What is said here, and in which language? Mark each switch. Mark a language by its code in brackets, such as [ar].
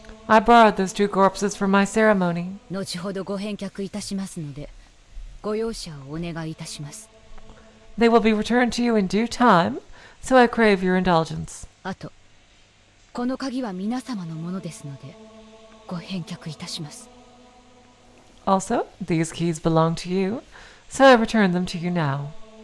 [en] I borrowed those two corpses from my ceremony. [ja] 後ほどご返却いたしますので。 [en] They will be returned to you in due time, so I crave your indulgence. Also, these keys belong to you, so I return them to you now.